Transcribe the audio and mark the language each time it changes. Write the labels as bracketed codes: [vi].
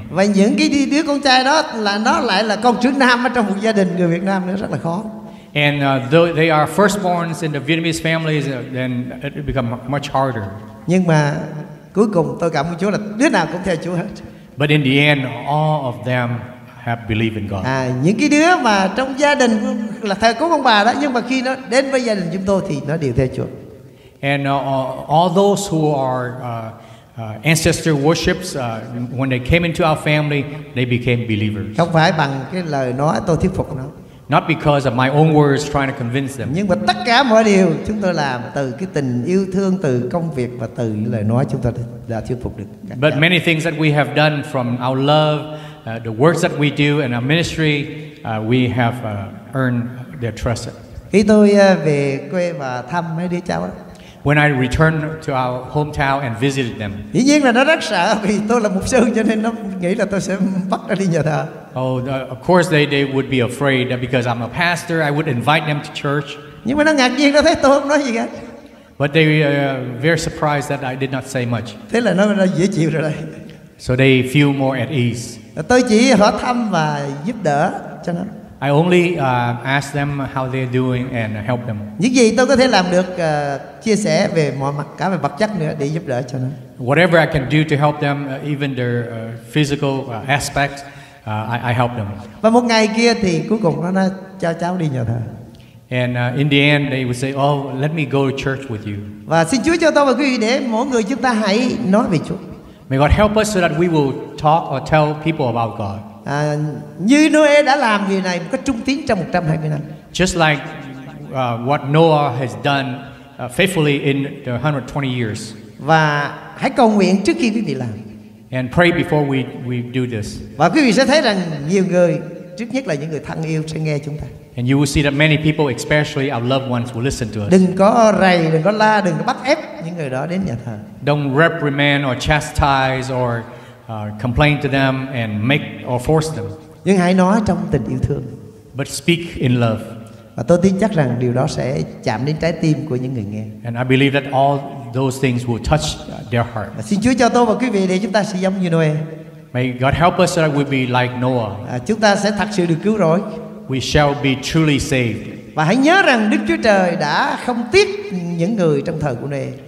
[vi] Và những cái đứa con trai đó là nó lại là con thứ năm ở trong một gia đình người Việt Nam, nó rất là khó. [en] And though they are firstborns in the Vietnamese families, then it become much harder. [vi] Nhưng mà cuối cùng tôi cảm ơn Chúa là đứa nào cũng theo Chúa hết. [en] But in the end, all of them have believed in God. [vi] À, những cái đứa mà trong gia đình là thờ cúng ông bà đó, nhưng mà khi nó đến với gia đình chúng tôi thì nó đều theo Chúa. [en] And all those who are ancestor worships, when they came into our family, they became believers. [vi] Không phải bằng cái lời nói tôi thuyết phục nó. [en] Not because of my own words trying to convince them. [vi] Nhưng mà tất cả mọi điều chúng tôi làm từ cái tình yêu thương, từ công việc và từ lời nói chúng tôi đã thuyết phục được. [en] But many things that we have done from our love, the works that we do and our ministry, we have earned their trust. [vi] Khi tôi về quê và thăm mấy đứa cháu đó, [en] when I returned to our hometown and visited them. [vi] Dĩ nhiên là nó rất sợ vì tôi là mục sư cho nên nó nghĩ là tôi sẽ bắt nó đi nhà thờ. [en] Oh, of course they would be afraid that because I'm a pastor, I would invite them to church. [vi] Nhưng mà nó ngạc nhiên, nó thấy tôi không nói gì cả. [en] But they were very surprised that I did not say much. [vi] Thế là nó dễ chịu rồi đây. [en] So they feel more at ease. [vi] Tôi chỉ hỏi thăm và giúp đỡ cho nó. [en] I only ask them how they're doing and help them. [vi] Những gì tôi có thể làm được chia sẻ về mọi mặt, cả về vật chất nữa để giúp đỡ cho nó. [en] Whatever I can do to help them, even their physical aspects, I help them. [vi] Và một ngày kia thì cuối cùng nó cho cháu đi nhờ thờ. [en] And in the end, they would say, "Oh, let me go to church with you." [vi] Và xin Chúa cho tôi và quý vị để mỗi người chúng ta hãy nói về Chúa. [en] May God help us so that we will talk or tell people about God. [vi] Như Noe đã làm việc này một cách trung tín trong 120 năm. [en] Just like what Noah has done faithfully in the 120 years. [vi] Và hãy cầu nguyện trước khi quý vị làm. [en] And pray before we do this. [vi] Và quý vị sẽ thấy rằng nhiều người, trước nhất là những người thân yêu sẽ nghe chúng ta. [en] And you will see that many people, especially our loved ones, will listen to us. [vi] Đừng có rầy, đừng có la, đừng có bắt ép những người đó đến nhà thờ. [en] Don't reprimand or chastise or complain to them and make or force them. [vi] Nhưng hãy nói trong tình yêu thương. [en] But speak in love. [vi] Và tôi tin chắc rằng điều đó sẽ chạm đến trái tim của những người nghe. [en] And I believe that all those things will touch their heart. [vi] Xin Chúa cho tôi và quý vị để chúng ta sẽ giống như Noe. [en] May God help us so that we'll be like Noah. [vi] Chúng ta sẽ thật sự được cứu rỗi. [en] We shall be truly saved. [vi] Và hãy nhớ rằng Đức Chúa Trời đã không tiếc những người trong thời của Noe.